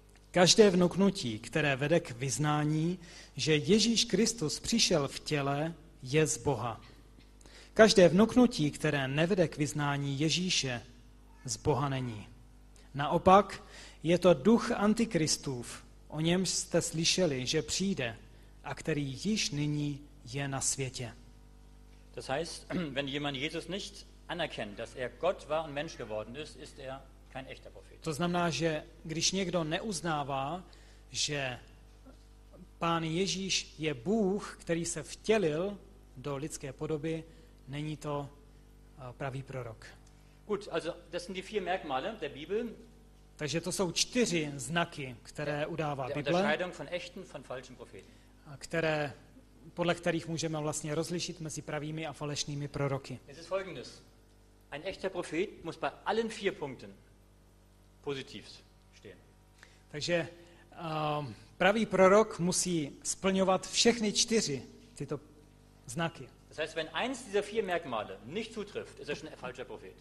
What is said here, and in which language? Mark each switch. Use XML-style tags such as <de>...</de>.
<cs>Každé vnuknutí, které vede k vyznání, že Ježíš Kristus přišel v těle, je z Boha. Každé vnuknutí, které nevede k vyznání Ježíše, z Boha není. Naopak, je to duch antikristův, o němž jste slyšeli, že přijde a který již nyní je na světě.</cs> <de>Das heißt, wenn jemand Jesus nicht anerkennt, dass er Gott war und Mensch geworden ist, ist er kein echter Prophet.</de> <cs>To znamená, že když někdo neuznává, že Pán Ježíš je Bůh, který se vtělil do lidské podoby, není to pravý prorok.</cs> <de>Gut, also das sind die vier Merkmale der Bibel.</de> <cs>Takže to jsou čtyři znaky, které udává Bible.</cs> <de>Unterscheidung von echten von falschen Propheten.</de> <cs>Které podle kterých můžeme vlastně rozlišit mezi pravými a falešnými proroky.</cs> <de>Es ist folgendes. Ein echter Prophet muss bei allen vier Punkten positiv stehen.</de> <cs>Takže pravý prorok musí splňovat všechny čtyři tyto znaky.</cs> <de>Das heißt, wenn eins dieser vier Merkmale nicht zutrifft, ist er schon ein falscher Prophet.</de>